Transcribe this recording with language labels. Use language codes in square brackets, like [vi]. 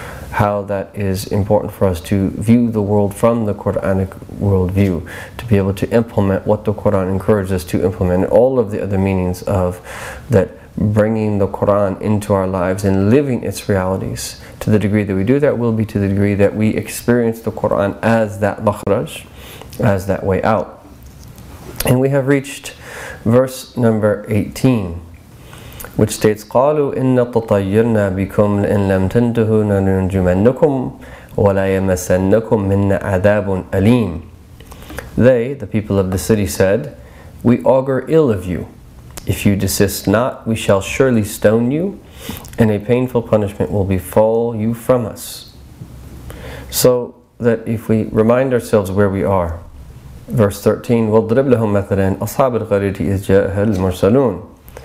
[en] How that is important for us to view the world from the Quranic worldview, to be able to implement what the Quran encourages us to implement, and all of the other meanings of that bringing the Quran into our lives and living its realities. To the degree that we do that will be to the degree that we experience the Quran as that makhraj, as that way out. And we have reached verse number 18. Which states, [ar] قَالُوا إِنَّا تَطَيِّرْنَا بِكُمْ لَإِنْ لَمْ تَنْتُهُونَ لَنَرْجُمَنَّكُمْ وَلَا يَمَسَّنَّكُمْ مِنَّا عَذَابٌ أَلِيمٌ. [en] They, the people of the city, said, we augur ill of you. If you desist not, we shall surely stone you, and a painful punishment will befall you from us. So that if we remind ourselves where we are, verse 13, [ar] وَضْرِبْ لَهُمْ مَثَلًا أَصْحَابِ الْغَرِيْتِ إِذْ جَاءَهَا الْمُرْسَلُونَ.